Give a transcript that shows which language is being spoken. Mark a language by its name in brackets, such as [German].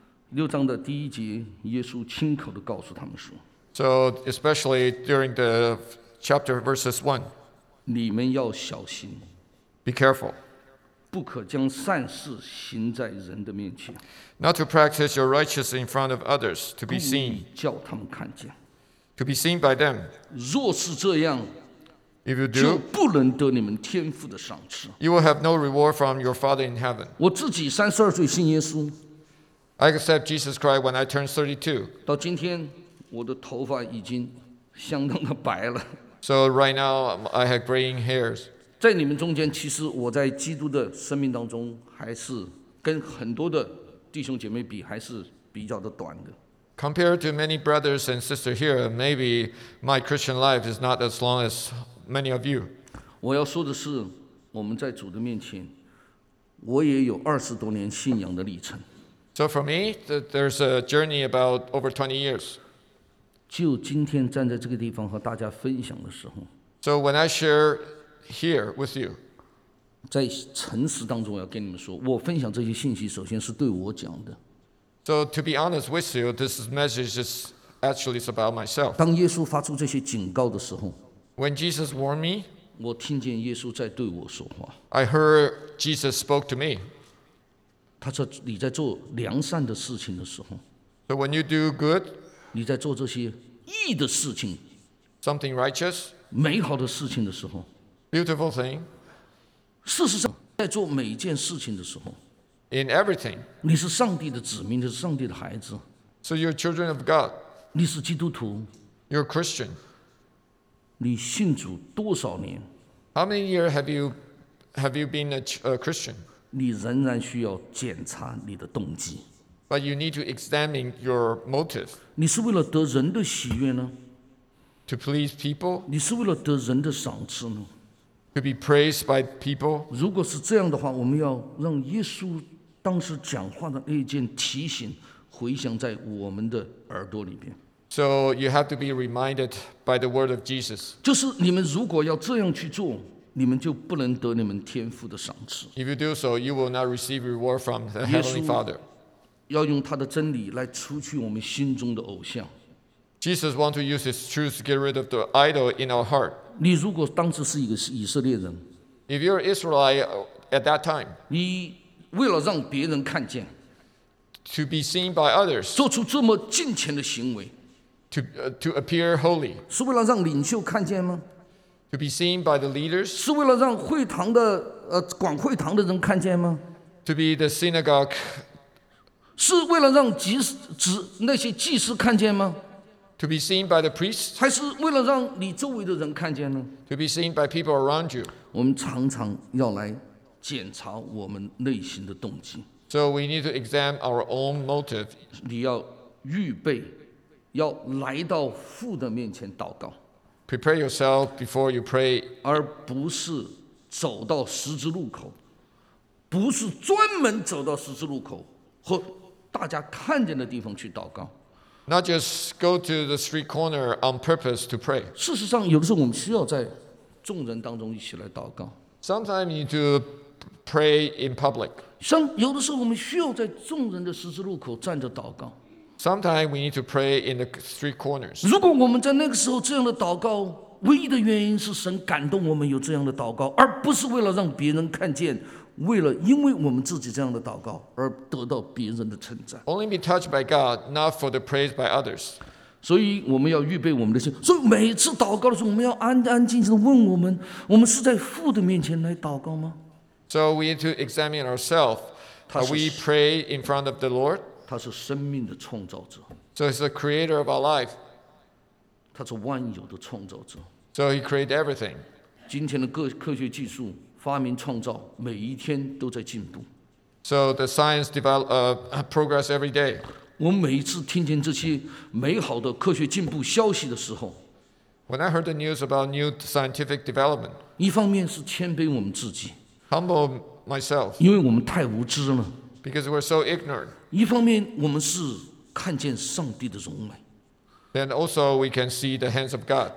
[Chinese] 六章的第一节，耶稣亲口地告诉他们说。 [English] So especially during the Chapter verses 1. [Chinese] 你们要小心。 [English] Be careful. [Chinese] 不可将善事行在人的面前。 [English] Not to practice your righteousness in front of others, to be seen. [Chinese] 故意叫他们看见。 [English] To be seen by them. [Chinese] 若是这样， [English] If you do, [Chinese] 就不能得你们天父的赏赐。 [English] You will have no reward from your Father in heaven. [Chinese] 我自己32岁信耶稣。 [English] I accept Jesus Christ when I turned 32. [Chinese] 到今天，我的头发已经相当的白了。 [English] So right now I have graying hairs. [Chinese] 在你们中间，其实我在基督的生命当中，还是跟很多的弟兄姐妹比，还是比较的短的。 [English] Compared to many brothers and sisters here, maybe my Christian life is not as long as many of you. [Chinese] 我要说的是，我们在主的面前，我也有20多年信仰的历程。 [English] So for me, there's a journey about over 20 years. [Chinese] 就今天站在这个地方和大家分享的时候， [English] So when I share here with you, [Chinese] 在诚实当中我要跟你们说，我分享这些信息首先是对我讲的。 [English] So to be honest with you, this message is actually about myself. [Chinese] 当耶稣发出这些警告的时候， [English] When Jesus warned me, [Chinese] 我听见耶稣在对我说话。 [English] I heard Jesus spoke to me. [Chinese] 他说你在做良善的事情的时候， [English] So when you do good, [Chinese] 你在做这些义的事情 [English] ，something righteous， [Chinese] 美好的事情的时候 [English] ，beautiful thing。 [Chinese] 事实上，在做每一件事情的时候 [English] ，in everything， [Chinese] 你是上帝的子民，你是上帝的孩子 [English] ，so you're children of God。 [Chinese] 你是基督徒 [English] ，you're Christian。 [Chinese] 你信主多少年 [English] ？How many years have you been a Christian？ [Chinese] 你仍然需要检查你的动机。 [English] But you need to examine your motive. [Chinese] 你是为了得人的喜悦呢？ [English] To please people. [Chinese] 你是为了得人的赏赐呢？ [English] To be praised by people. [Chinese] 如果是这样的话，我们要让耶稣当时讲话的那件提醒回响在我们的耳朵里边。 [English] So you have to be reminded by the word of Jesus. [Chinese] 就是你们如果要这样去做，你们就不能得你们天父的赏赐。 [English] If you do so, you will not receive reward from the Heavenly Father. [Chinese] 要用他的真理来除去我们心中的偶像。 [English] Jesus wants to use his truth to get rid of the idol in our heart. [Chinese] 你如果当时是一个以色列人， [English] If you're Israelite at that time, [Chinese] 你为了让别人看见， [English] To be seen by others, [Chinese] 做出这么敬虔的行为， [English] To appear holy, [Chinese] 是为了让领袖看见吗？ [English] To be seen by the leaders, [Chinese] 是为了让会堂的管会堂的人看见吗？ [English] To be the synagogue [Chinese] 是为了让那些祭司看见吗？ [English] To be seen by the priests? [Chinese] 还是为了让你周围的人看见呢？ [English] To be seen by people around you. [Chinese] 我们常常要来检查我们内心的动机。 [English] So we need to examine our own motive. [Chinese] 你要预备，要来到父的面前祷告。 [English] Prepare yourself before you pray. [Chinese] 而不是走到十字路口，不是专门走到十字路口和大家看见的地方去祷告。 [English] Not just go to the street corner on purpose to pray. [Chinese] 事实上，有的时候我们需要在众人当中一起来祷告。 [English] Sometimes you need to pray in public. [Chinese] 像有的时候我们需要在众人的十字路口站着祷告。 [English] Sometimes we need to pray in the street corners. [Chinese] 如果我们在那个时候这样的祷告，唯一的原因是神感动我们有这样的祷告，而不是为了让别人看见。为了因为我们自己这样的祷告而得到别人的称赞。 [English] Only be touched by God, not for the praise by others. [Chinese] 所以我们要预备我们的心。所以每次祷告的时候，我们要安安静静地问我们：我们是在父的面前来祷告吗 [English] ？So we need to examine ourselves. Are we pray in front of the Lord? [Chinese] 他是生命的创造者。 [English] So he's the creator of our life. [Chinese] 他是万有的创造者。 [English] So he created everything. [Chinese] 今天的科学技术。发明创造，每一天都在进步。 [English] So the science develop, progress every day. [Chinese] 我每一次听见这些美好的科学进步消息的时候 [English] ，When I heard the news about new scientific development, [Chinese] 一方面是谦卑我们自己 [English] ，humble myself, [Chinese] 因为我们太无知了 [English] ，because we're so ignorant. [Chinese] 一方面我们是看见上帝的荣美 [English] ，then also we can see the hands of God.